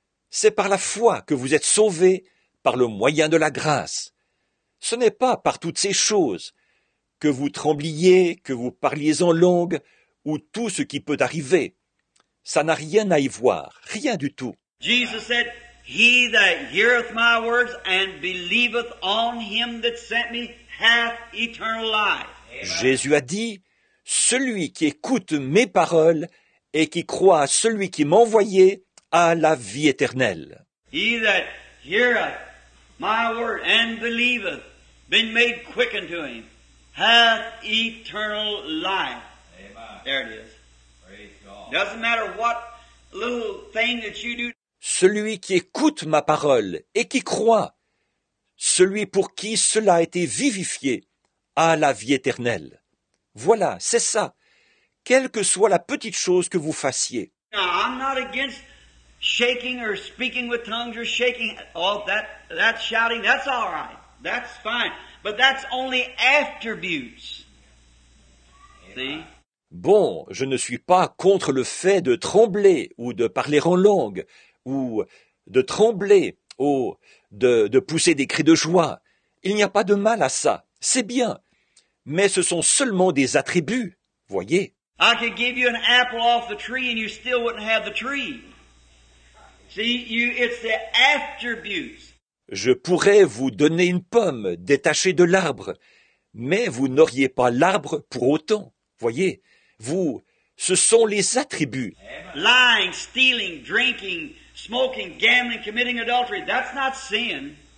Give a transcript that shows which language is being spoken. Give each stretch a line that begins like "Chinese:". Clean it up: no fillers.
French: C'est par la foi que vous êtes sauvés, par le moyen de la grâce. Ce n'est pas par toutes ces choses, que vous trembliez, que vous parliez en langue, ou tout ce qui peut arriver. Ça n'a rien à y voir, rien du tout.
English: Jesus said, he that heareth my words and believeth on him that sent me hath eternal life.
French: Jésus a dit, celui qui écoute mes paroles et qui croit à celui qui m'a envoyé a la vie éternelle.
English: He that heareth my word and believeth, been made quick unto him, hath eternal life. Amen. There it is. Praise God. Doesn't matter what little thing that you do.
French: Celui qui écoute ma parole et qui croit, celui pour qui cela a été vivifié, a la vie éternelle. Voilà, c'est ça. Quelle que soit la petite chose que vous fassiez.
English: Now, I'm not against shaking or speaking with tongues or shaking. Oh, that's shouting. That's all right. That's fine. But that's only attributes. See?
French: Bon, je ne suis pas contre le fait de trembler ou de parler en langue ou de trembler ou de pousser des cris de joie. Il n'y a pas de mal à ça. C'est bien. Mais ce sont seulement des attributs, voyez.
English: I could give you an apple off the tree and you still wouldn't have the tree. See, it's the attributes.
French: Je pourrais vous donner une pomme détachée de l'arbre, mais vous n'auriez pas l'arbre pour autant, voyez. Vous, ce sont les attributs.
English: Lying, stealing, drinking, smoking, gambling, committing adultery, that's not sin.